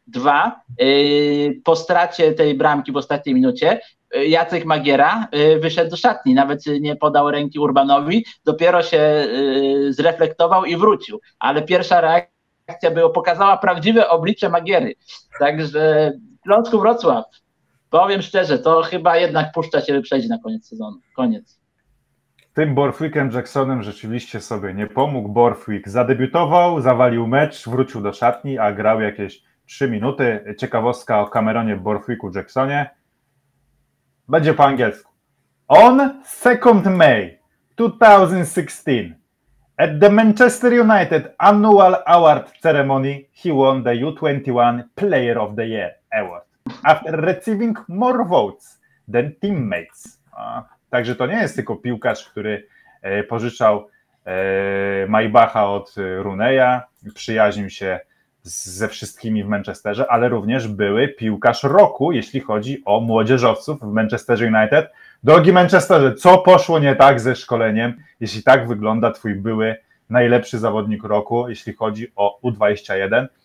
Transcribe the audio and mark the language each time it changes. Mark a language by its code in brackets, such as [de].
[pl] Dwa, po stracie tej bramki w ostatniej minucie Jacek Magiera wyszedł do szatni, nawet nie podał ręki Urbanowi, dopiero się zreflektował i wrócił, ale pierwsza reakcja była, pokazała prawdziwe oblicze Magiery, także Śląsku Wrocław, powiem szczerze, to chyba jednak puszcza się, by przejść na koniec sezonu, koniec. Tym Bortwickiem Jacksonem rzeczywiście sobie nie pomógł Bortwick. Zadebiutował, zawalił mecz, wrócił do szatni, a grał jakieś 3 minuty. Ciekawostka o Cameronie Bortwicku Jacksonie. Będzie po angielsku. [en] On 2 May 2016 at the Manchester United Annual Award Ceremony he won the U21 Player of the Year Award after receiving more votes than teammates. [pl] Także to nie jest tylko piłkarz, który pożyczał Maybacha od Rooneya, przyjaźnił się ze wszystkimi w Manchesterze, ale również były piłkarz roku, jeśli chodzi o młodzieżowców w Manchester United. Drogi Manchesterze, co poszło nie tak ze szkoleniem, jeśli tak wygląda twój były najlepszy zawodnik roku, jeśli chodzi o U21?